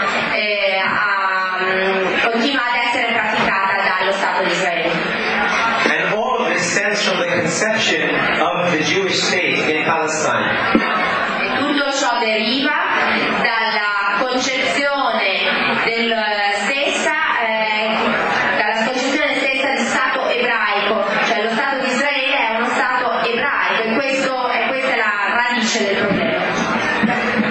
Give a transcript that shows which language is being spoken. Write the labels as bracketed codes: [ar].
[it] continua ad essere praticata dallo Stato di Israele. [en] And all of this stems from the conception of the Jewish state in Palestine. [it] E tutto ciò deriva dalla concezione del stessa dalla concezione stessa di Stato ebraico, cioè lo Stato di Israele è uno Stato ebraico, e questo è questa la radice del problema.